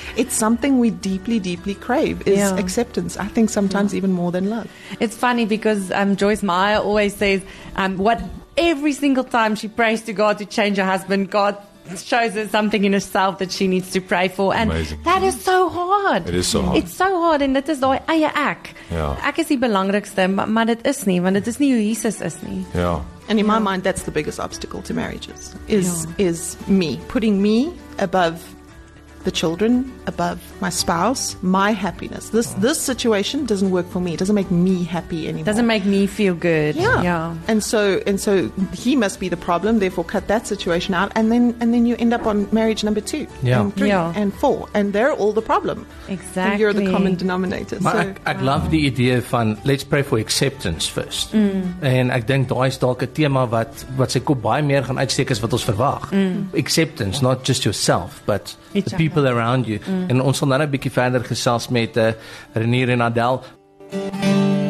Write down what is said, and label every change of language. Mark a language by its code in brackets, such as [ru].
[en] It's something we deeply, deeply crave is acceptance. I think sometimes even more than love. It's funny because Joyce Meyer always says, what every single time she prays to God to change her husband, God shows her something in herself that she needs to pray for. And amazing. That is so hard. It is so hard. It's so hard. And [af] dit is daai eie ek. [en] Yeah. [af] Ek is die belangrikste, maar dit is nie, want dit is nie hoe Jesus is nie. [en] Yeah. And in my mind, that's the biggest obstacle to marriages, is me. Putting me above the children, above my spouse, my happiness. This situation doesn't work for me. It doesn't make me happy anymore. Doesn't make me feel good. Yeah. And so he must be the problem, therefore cut that situation out, and then you end up on marriage number 2 and 3 and 4, and they're all the problem. Exactly. And you're the common denominator. [af] Maar ek [en] love the idea van let's pray for acceptance first. [af] And ek dink daai is dalk 'n tema wat sy kop baie meer gaan uitsteek as wat ons verwag. [en] Acceptance, not just yourself, but people around you. [af] En ons sal nou 'n bietjie verder gesels met Renier en Adele.